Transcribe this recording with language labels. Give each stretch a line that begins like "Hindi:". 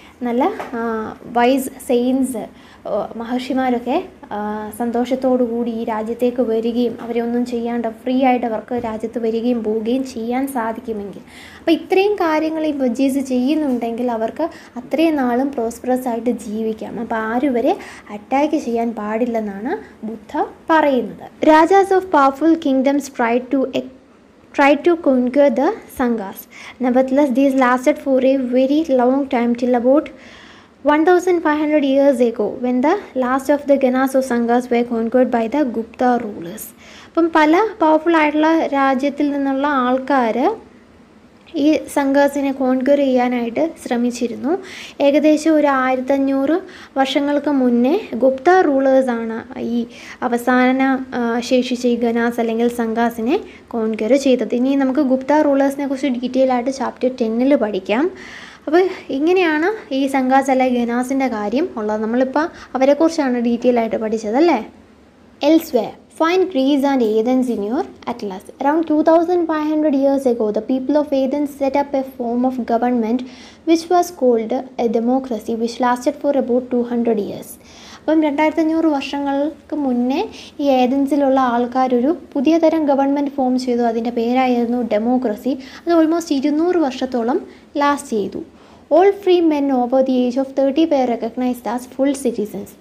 Malayalam: നല്ല vice saints മഹർഷിമാരൊക്കെ സന്തോഷത്തോടുകൂടി ഈ രാജ്യത്തേക്ക് വരികയും അവരെ ഒന്നും ചെയ്യാണ്ട് ഫ്രീ ആയിട്ട് അവർക്ക് രാജ്യത്ത് വരികയും പോവുകയും ചെയ്യാൻ സാധിക്കുമെങ്കിൽ, അപ്പോൾ ഇത്രയും കാര്യങ്ങൾ ഈ വജ്ജീസ് ചെയ്യുന്നുണ്ടെങ്കിൽ അവർക്ക് അത്രയും നാളും പ്രോസ്പെറസ് ആയിട്ട് ജീവിക്കാം. അപ്പോൾ ആരും ഇവരെ അറ്റാക്ക് ചെയ്യാൻ പാടില്ലെന്നാണ് ബുദ്ധ പറയുന്നത്.
English: Rajas of powerful kingdoms try to conquer the sanghas. Nevertheless these lasted for a very long time till about 1500 years ago when the last of the ganas or sanghas were conquered by the gupta rulers.
Malayalam: അപ്പം പല powerful ആയിട്ടുള്ള രാജ്യത്തിൽ നിന്നുള്ള ആൾക്കാർ ഈ സംഘാസിനെ conquer ചെയ്യാനായിട്ട് ശ്രമിച്ചിരുന്നു. ഏകദേശം ഒരു 1500 വർഷങ്ങൾക്ക് മുന്നേ ഗുപ്ത റൂളേഴ്സാണ് ഈ അവസാന ശേഷിച്ച ഈ ഗനാസ് അല്ലെങ്കിൽ സംഘാസിനെ കോൺക്വർ ചെയ്തത്. ഇനി നമുക്ക് ഗുപ്ത റൂളേഴ്സിനെ കുറിച്ച് ഡീറ്റെയിൽ ആയിട്ട് ചാപ്റ്റർ 10 പഠിക്കാം. അപ്പോൾ ഇങ്ങനെയാണ് ഈ സംഘാസ് അല്ലെങ്കിൽ ഗനാസിൻ്റെ കാര്യം ഉള്ളത്. നമ്മളിപ്പോൾ അവരെക്കുറിച്ചാണ് ഡീറ്റെയിൽ ആയിട്ട് പഠിച്ചത് അല്ലേ.
English: Elsewhere, find Greece and Athens in your atlas. Around 2500 years ago, the people of Athens set up a form of government which was called a democracy, which lasted for about 200 years.
Malayalam: അപ്പം 2500 വർഷങ്ങൾക്ക് മുന്നേ ഈ ഏതൻസിലുള്ള ആൾക്കാരൊരു പുതിയ തരം government form ചെയ്തു. അതിൻ്റെ പേരായിരുന്നു democracy. അത് ഓൾമോസ്റ്റ് 200 വർഷത്തോളം ലാസ്റ്റ് ചെയ്തു.
English: All free men over the age of 30 were recognised as full citizens.